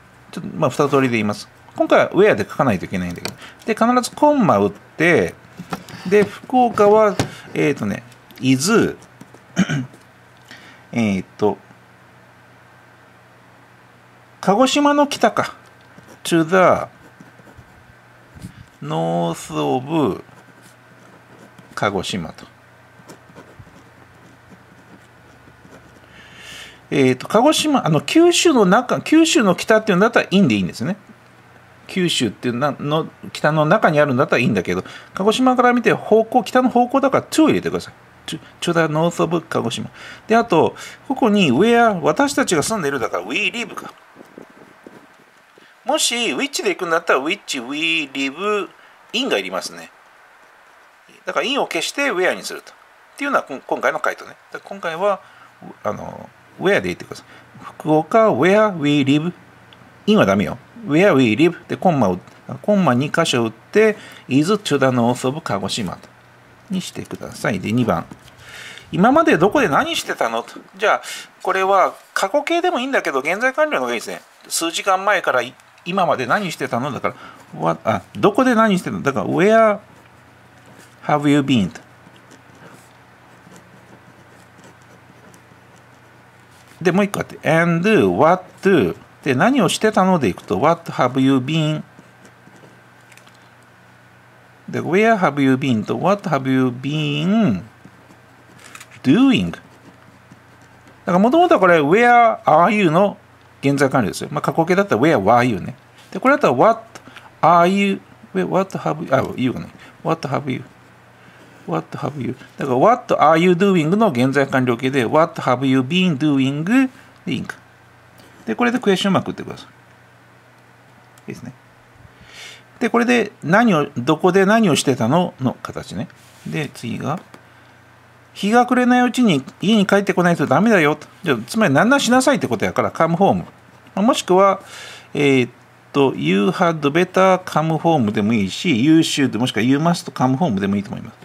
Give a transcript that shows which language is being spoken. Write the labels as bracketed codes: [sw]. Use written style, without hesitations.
[ja] ちょっとまあ2通りで言います。今回は where で書かないといけないんだけど、で必ずコンマ打って、で福岡はね is鹿児島の北か。 [en] to the north of 鹿児島と。 [ja] 鹿児島、九州の中、九州の北っていうんだったらインでいいんですね。九州っていうの北の中にあるんだったらいいんだけど、鹿児島から見て方向、北の方向だから to を入れてください。 [en] to the north of 鹿児島。 [ja] で、あと、ここに where 私たちが住んでいるだから [en] we live [ja] か。もし、which で行くんだったら、 [en] which we live in [ja] がいりますね。だから、in を消して where にすると。っていうのは今回の回答ね。だから今回は、where で言ってください。 [en] 福岡、where we live。 in [ja] はダメよ。 [en] where we live。 [ja] で、コンマ2箇所打って、 [en] is to the north of [ja] 鹿児島と。にしてください。で、2番。今までどこで何してたのと。じゃあ、これは過去形でもいいんだけど、現在完了の方がいいですね。数時間前から今まで何してたのだから、どこで何してたのだから、 [en] Where have you been? [ja] で、もう一個あって、 [en] And what to? [ja] で、何をしてたのでいくと、 [en] What have you been? で、Where have you been? と、What have you been doing? だから、もともとはこれ、Where are you? [ja] の現在完了ですよ。まあ、過去形だったら、 [en] Where were you? [ja] ね。 [en] で、これだったら、what are you, what have you, [ja] あ、言うかね。 [en] what have you, what have you. だから、what are you doing [ja] の現在完了形で、 [en] what have you been doing [ja] でいいんか。で、これでクエスチョンマーク打ってください。いいですね。で、これで、何を、どこで何をしてたのの形ね。で、次が、日が暮れないうちに家に帰ってこないとダメだよと。じゃあ、つまり、何々しなさいってことやから、 [en] come home。もしくは、You had better come home でもいいし、You should もしくは You must come home でもいいと思います。